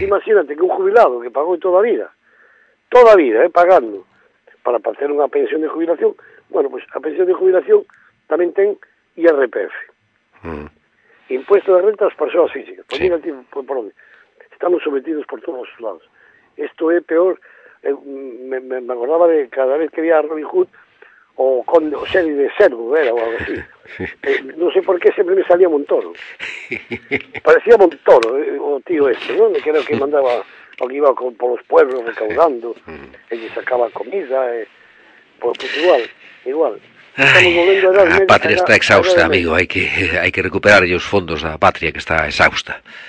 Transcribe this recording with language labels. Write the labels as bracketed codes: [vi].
[es] Imagínate [gl] que un jubilado que pagou toda a vida, pagando, para facer unha pensión de jubilación, [es] bueno, pues [gl] a pensión de jubilación tamén ten IRPF. [es] Impuesto de renta [gl] ás persoas físicas. [es] Pues, sí. [gl] Mira, tío, por onde. Estamos sometidos por todos os lados. Isto é peor. Me acordaba de cada vez que vi a Robin Hood o con o serie de Cervo, era, o algo así. Non sei por que sempre me salía Montoro. Parecía Montoro, o tío este, ¿no? Que era o que mandaba... [es] O que iba por los pueblos recaudando, y sacaba comida, pues igual, igual. Ay, la patria está exhausta, amigo, hay que recuperar los fondos de la patria que está exhausta.